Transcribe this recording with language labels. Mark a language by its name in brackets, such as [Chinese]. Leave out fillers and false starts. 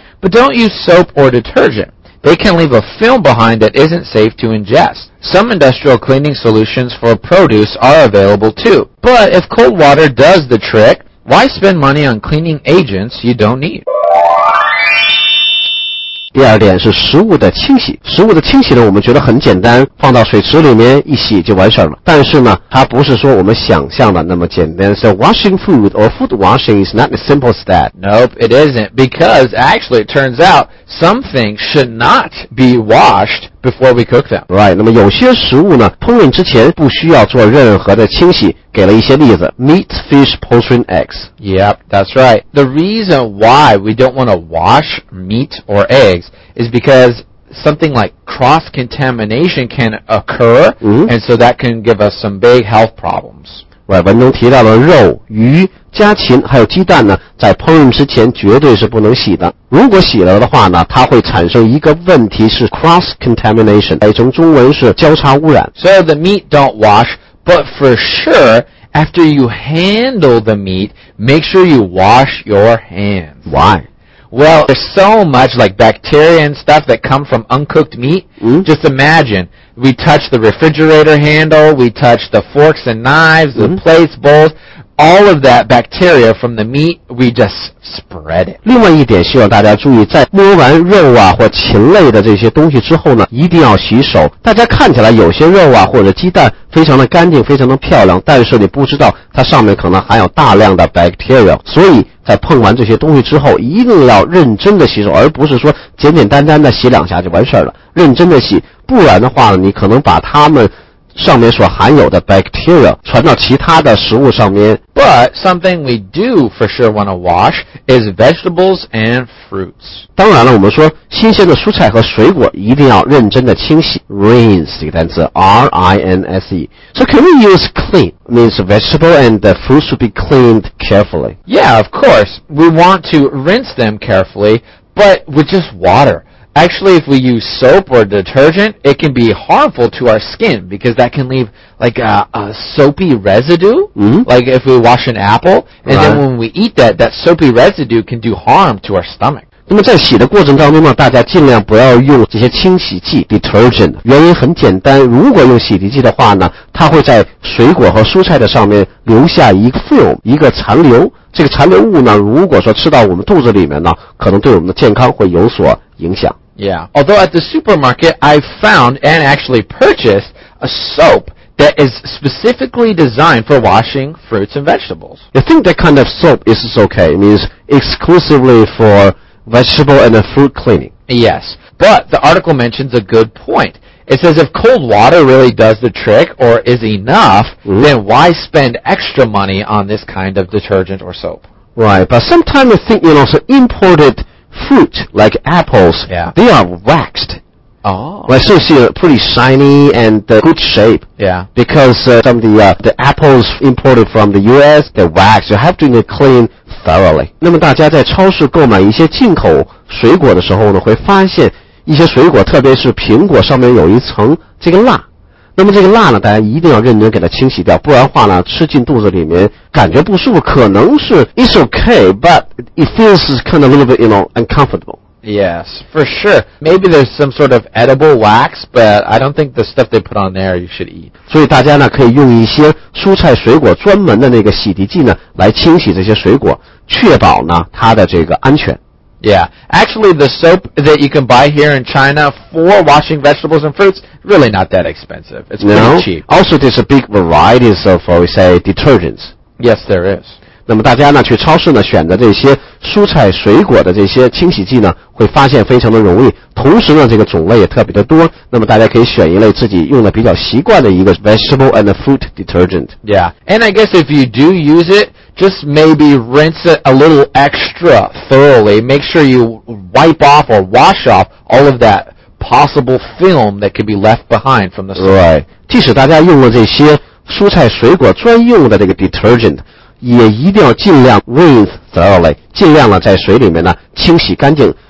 [English] But don't use soap or detergent. They can leave a film behind that isn't safe to ingest. Some industrial cleaning solutions for produce are available too. But if cold water does the trick, why spend money on cleaning agents you don't need? [Chinese] 第二点是食物的清洗。食物的清洗呢，我们觉得很简单，放到水池里面一洗就完事了。但是呢，它不是说我们想象的那么简单。 [English] So washing food or food washing is not as simple as that. Nope, it isn't. Because actually it turns out some things should not be washed before we cook them. [Chinese] Right, 那么有些食物呢，烹饪之前不需要做任何的清洗。给了一些例子 , [English] meat, fish, poultry, and eggs. Yep, that's right. The reason why we don't want to wash meat or eggs is because something like cross-contamination can occur,、 mm-hmm. and so that can give us some big health problems. [Chinese] Right, 文中提到了肉、鱼、家禽还有鸡蛋呢在烹饪之前绝对是不能洗的。如果洗了的话呢它会产生一个问题是 cross-contamination, 一种中文是交叉污染。 [English] So the meat don't wash,But for sure, after you handle the meat, make sure you wash your hands. Why? Well, there's so much like bacteria and stuff that come from uncooked meat. Mm-hmm. Just imagine, we touch the refrigerator handle, we touch the forks and knives, mm-hmm. the plates, bowls, all of that bacteria from the meat, we just spread it. [Chinese] 另外一点希望大家注意，在摸完肉啊或禽类的这些东西之后呢，一定要洗手。大家看起来有些肉啊或者鸡蛋非常的干净非常的漂亮，但是你不知道它上面可能含有大量的 bacteria， 所以在碰完这些东西之后一定要认真的洗手，而不是说简简单单的洗两下就完事了，认真的洗，不然的话你可能把它们上面所含有的 bacteria 传到其他的食物上面。 [English] But something we do for sure want to wash is vegetables and fruits. [Chinese] 当然了，我们说新鲜的蔬菜和水果一定要认真的清洗。 [English] Rinse [Chinese] 这个单词 [English] R-I-N-S-E. So can we use clean? Means vegetable and the fruits should be cleaned carefully. Yeah, of course. We want to rinse them carefully, but with just water. Actually, if we use soap or detergent, it can be harmful to our skin because that can leave like a soapy residue,、 mm-hmm. like if we wash an apple, and、 right. then when we eat that, that soapy residue can do harm to our stomach. [Chinese] 那么在洗的过程当中呢，大家尽量不要用这些清洗剂 detergent. 原因很简单，如果用洗涤剂的话呢，它会在水果和蔬菜的上面留下一个 film, 一个残留。这个残留物呢，如果说吃到我们肚子里面呢，可能对我们的健康会有所影响。 [English] Yeah, although at the supermarket, I found and actually purchased a soap that is specifically designed for washing fruits and vegetables. I think that kind of soap is okay. It means exclusively for vegetable and fruit cleaning. Yes, but the article mentions a good point. It says if cold water really does the trick or is enough,、 mm-hmm. then why spend extra money on this kind of detergent or soap? Right, but sometimes I think, you know, so imported...Fruit, like apples,、 yeah. they are waxed. Oh. Right, so it's pretty shiny and good shape. Yeah. Because some of the apples imported from the U.S., they wax. You have to clean thoroughly. [Chinese] 那么大家在超市购买一些进口水果的时候呢，会发现一些水果，特别是苹果，上面有一层这个蜡。那么这个蜡呢，大家一定要认真给它清洗掉，不然的话呢，吃进肚子里面感觉不舒服，可能是 [English] it's okay, but it feels kind of a little bit, you know, uncomfortable. Yes, for sure. Maybe there's some sort of edible wax, but I don't think the stuff they put on there you should eat. [Chinese] 所以大家呢，可以用一些蔬菜水果专门的那个洗涤剂呢，来清洗这些水果，确保呢它的这个安全。 [English] Yeah, actually the soap that you can buy here in China for washing vegetables and fruits, really not that expensive. It's pretty cheap. Also, there's a big variety of, we say, detergents. Yes, there is. [Chinese] 那么大家呢，去超市呢，选择这些蔬菜水果的这些清洗剂呢，会发现非常的容易。同时呢，这个种类也特别的多。那么大家可以选一类自己用的比较习惯的一个 [English] vegetable and fruit detergent. Yeah, and I guess if you do use it,Just maybe rinse it a little extra thoroughly. Make sure you wipe off or wash off all of that possible film that could be left behind from the soap. [Chinese] Right. 即使大家用了这些蔬菜水果专用的这个 detergent, 也一定要尽量 [English] rinse thoroughly, [Chinese] 尽量呢在水里面呢清洗干净。